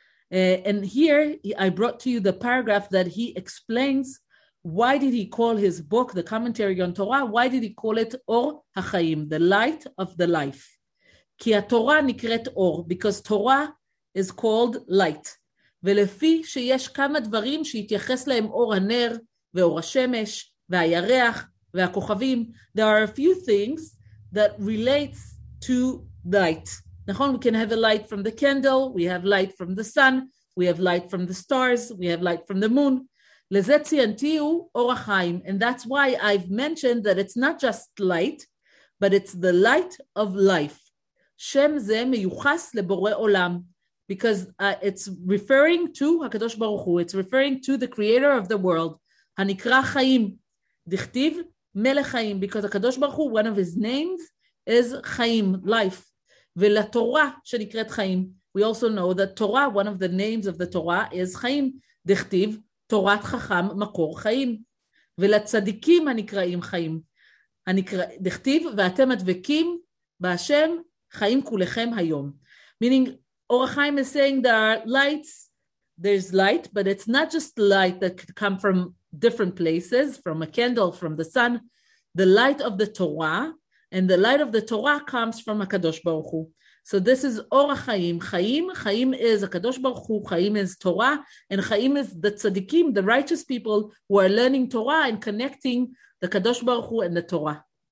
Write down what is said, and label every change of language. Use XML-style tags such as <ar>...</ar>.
<en>And here I brought to you the paragraph that he explains why did he call his book, the commentary on Torah, why did he call it Or HaChaim, the light of the life.</en> <he>Ki HaTorah nikret Or,</he> <en>because Torah is called light.</en> <he>ולפי שיש כמה דברים שהתייחס להם אור הנר ואור השמש והירח והכוכבים.</he> <en>There are a few things that relates to light. Nachon, we can have a light from the candle, we have light from the sun, we have light from the stars, we have light from the moon.</en> <he>לזה ציינתיו אורח חיים.</he> <en>And that's why I've mentioned that it's not just light, but it's the light of life.</en> <he>שם זה מיוחס לבורא עולם.</he> <en>Because it's referring to HaKadosh Baruch Hu, it's referring to the creator of the world.</en> <he>הנקרא חיים, דכתיב מלך חיים.</he> <en>Because HaKadosh Baruch Hu, one of his names is חיים, life.</en> <he>ולתורה שנקראת חיים.</he> <en>We also know that Torah, one of the names of the Torah, is חיים.</en> <he>דכתיב, תורת חכם, מקור חיים. ולצדיקים הנקראים חיים. דכתיב, ואתם הדבקים בהשם, חיים כולכם היום.</he> <en>Meaning, Orach Chaim is saying there are lights, there's light, but it's not just light that could come from different places, from a candle, from the sun. The light of the Torah, and the light of the Torah comes from HaKadosh Baruch Hu. So this is Orach Chaim. Chaim is HaKadosh Baruch Hu, Chaim is Torah, and Chaim is the tzaddikim, the righteous people who are learning Torah and connecting the HaKadosh Baruch Hu and the Torah.</en>